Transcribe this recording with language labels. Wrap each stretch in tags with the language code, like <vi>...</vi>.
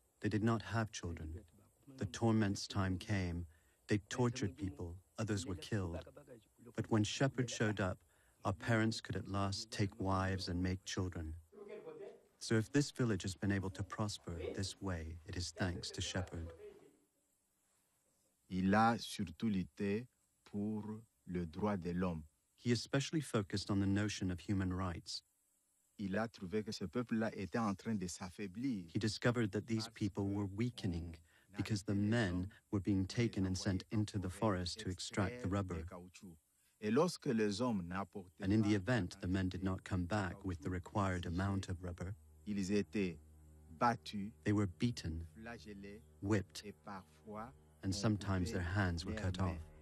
<en>They did not have children. The torment's time came. They tortured people. Others were killed. But when Shepherd showed up, our parents could at last take wives and make children. So if this village has been able to prosper this way, it is thanks to Shepherd.</en> <fr>Il a surtout lutté pour le droit de l'homme.</fr> <en>He especially focused on the notion of human rights.</en> <fr>Il a trouvé que ce peuple-là était en train de s'affaiblir.</fr> <en>He discovered that these people were weakening because the men were being taken and sent into the forest to extract the rubber. And in the event the men did not come back with the required amount of rubber, they were beaten, whipped, and sometimes their hands were cut off.</en>